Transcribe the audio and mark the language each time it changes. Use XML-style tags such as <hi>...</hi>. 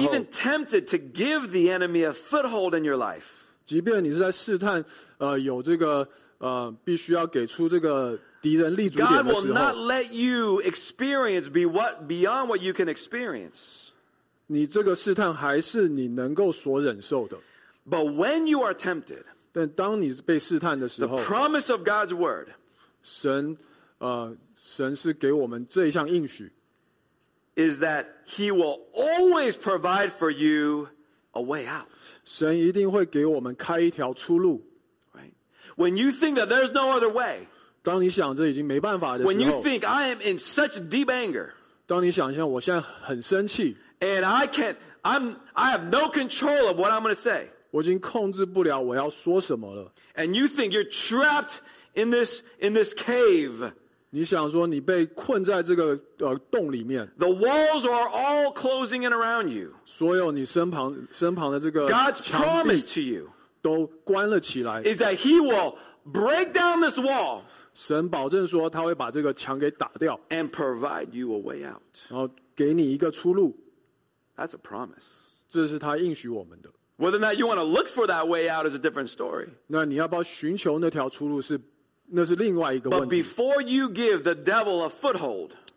<en>even tempted to give the enemy a foothold in your life,</en> <zh>即便你是在试探, 有这个, 必须要给出这个敌人立足点的时候,</zh> <en>God will not let you experience beyond what you can experience.</en> <zh>你这个试探还是你能够所忍受的。</zh> <en>But when you are tempted,</en> <zh>但当你被试探的时候,</zh> <en>the promise of God's word,</en> <zh>神是给我们这一项应许,</zh> <en>is that he will always provide for you a way out.</en> <zh>神一定会给我们开一条出路。</zh> <en>Right? When you think that there's no other way, When you think I am in such deep anger, and I can't, I have no control of what I'm going to say. And you think you're trapped in this cave. The walls are all closing in around you. God's promise to you is that he will break down this wall and provide you a way out. That's a promise.</en> <zh>这是他应许我们的。</zh> <en>Whether or not you want to look for that way out is a different story.</en> <zh>那你要不要寻求那条出路是, 那是另外一个问题。</zh> <en>But before you give the devil a foothold,</en>